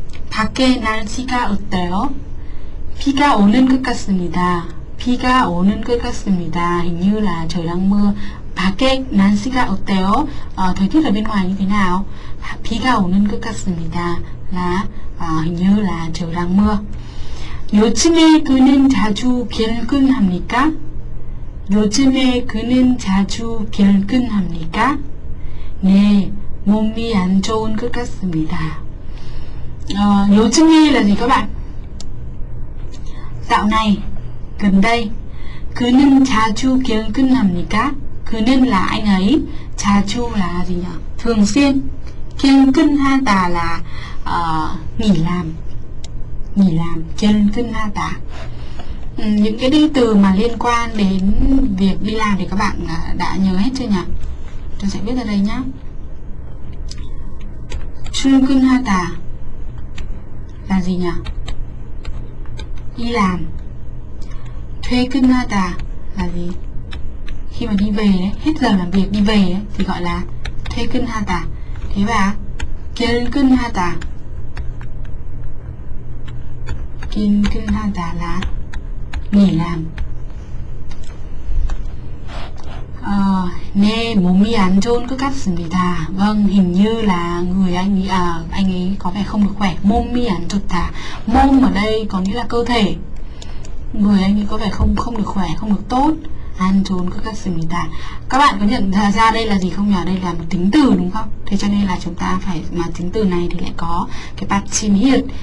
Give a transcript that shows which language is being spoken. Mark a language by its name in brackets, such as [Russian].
[Korean] 밖에 날씨가 어때요? 비가 오는 것 같습니다. 비가 오는 것 같습니다. [Vietnamese] Hình như là trời đang mưa. [Korean] 밖에 날씨가 어때요? [Vietnamese] Thời tiết ở bên ngoài như thế nào? [Korean] 비가 오는 것 같습니다. [Vietnamese] Là hình như là trời đang mưa. [Korean] 요즘에 그는 자주 결근합니까? 요즘에 그는 자주 결근합니까? 네, 몸이 안 좋은 것 같습니다. [Vietnamese] 요즘에 là gì các bạn? Dạo này, gần đây, [Korean] 그는 자주 결근합니까? [Vietnamese] 그는 là anh ấy, 자주 là gì nhỉ? Thường xuyên, 결근하다 là nghỉ làm,결근하다. Những cái đi từ mà liên quan đến việc đi làm thì các bạn đã nhớ hết chưa nhỉ? Tôi sẽ viết ra đây nhé. 출근하다 là gì nhỉ? Đi làm. 퇴근하다 là gì? Khi mà đi về đấy, hết giờ làm việc đi về ấy, thì gọi là 퇴근하다. Thế và 결근하다, 결근하다 là nghỉ làm. [Korean] 네, 몸이 안 좋은 것 같습니다. [Vietnamese] Vâng, hình như là người anh ấy có vẻ không được khỏe. [Korean] 몸이 안 좋다. [Vietnamese] Mom ở đây có nghĩa là cơ thể. Người anh ấy có vẻ không không được khỏe, không được tốt. An trốn các sinh ta. Các bạn có nhận ra đây là gì không nhỉ? Đây là một tính từ đúng không? Thế cho nên là chúng ta phải mà tính từ này thì lại có cái bát chim hiệt.